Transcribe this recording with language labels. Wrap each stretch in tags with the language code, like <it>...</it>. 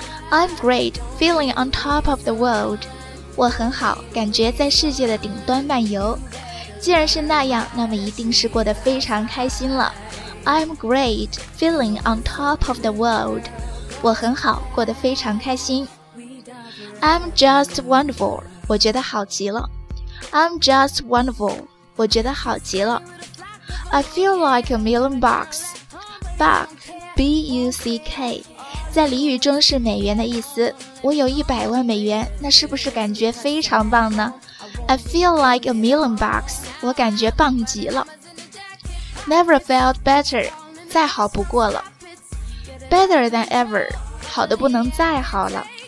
<en>I'm great, feeling on top of the world.</en> <zh>我很好，感觉在世界的顶端漫游。既然是那样，那么一定是过得非常开心了。</zh> <en>I'm great, feeling on top of the world.</en> <zh>我很好，过得非常开心。</zh> <en>I'm just wonderful,</en> <zh>我觉得好极了。</zh> <en>I'm just wonderful,</en> <zh>我觉得好极了。</zh> <en>I feel like a million bucks. Buck, B-U-C-K.</en> <zh>在俚语中是美元的意思，我有100万美元，那是不是感觉非常棒呢？</zh> <en>I feel like a million bucks,</en> <zh>我感觉棒极了。</zh> <en>Never felt better,</en> <zh>再好不过了。</zh> <en>Better than ever,</en> <zh>好得不能再好了。</zh>